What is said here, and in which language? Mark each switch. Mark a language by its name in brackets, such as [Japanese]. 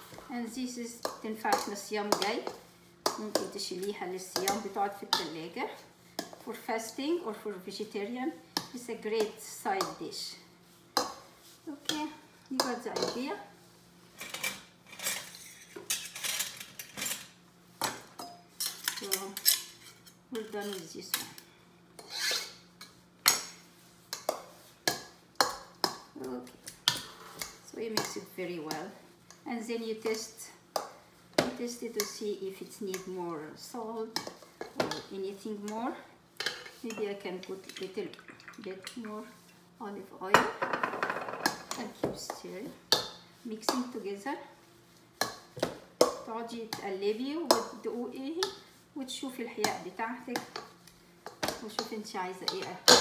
[English] And this is [Arabic] تنفع احنا الصيام جاي, ممكن تشيليها للصيام, بتقعد في التلاجة. [English] For fasting or for vegetarian, it's a great side dish. Okay, you got the idea. So we're done with this one. So you mix it very well, and then you test it to see if it needs more salt or anything more. Maybe I can put a little bit more olive oil and keep stirring, mixing together. [Arabic] تقعدي تقلبي وتدوقي وتشوفي الحياء بتاعتك وشوفي انت عايزه ايه.